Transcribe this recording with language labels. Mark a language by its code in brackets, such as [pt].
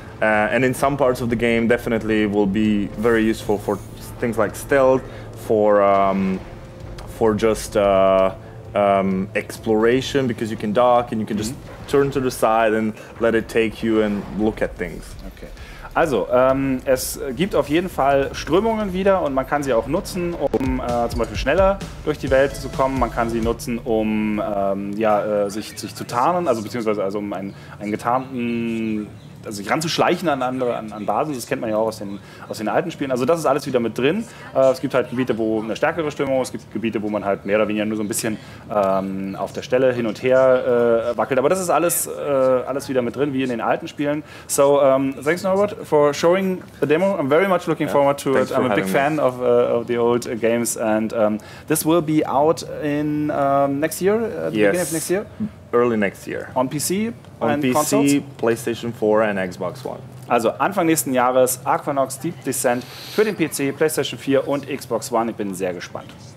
[en] And in some parts of the game, definitely will be very useful for things like stealth, for just exploration, because you can dock and you can just turn to the side and let it take you and look at things. Okay. [de] Also, es gibt auf jeden Fall Strömungen wieder und man kann sie auch nutzen, um zum Beispiel schneller durch die Welt zu kommen. Man kann sie nutzen, um sich zu tarnen, also beziehungsweise also um einen getarnten, also sich ranzuschleichen an andere, an Basen. Das kennt man ja auch aus den alten Spielen. Also das ist alles wieder mit drin. Es gibt halt Gebiete, wo eine stärkere Strömung ist. Es gibt Gebiete, wo man halt mehr oder weniger nur so ein bisschen auf der Stelle hin und her wackelt. Aber das ist alles wieder mit drin, wie in den alten Spielen. [en] So, thanks Norbert for showing the demo. I'm very much looking forward to it. I'm a big fan of the old games. And this will be out in next year, beginning of next year? Early next year. On PC? On PC, consoles? PlayStation 4 and Xbox One. [de] Also Anfang nächsten Jahres Aquanox Deep Descent für den PC, PlayStation 4 und Xbox One. Ich bin sehr gespannt.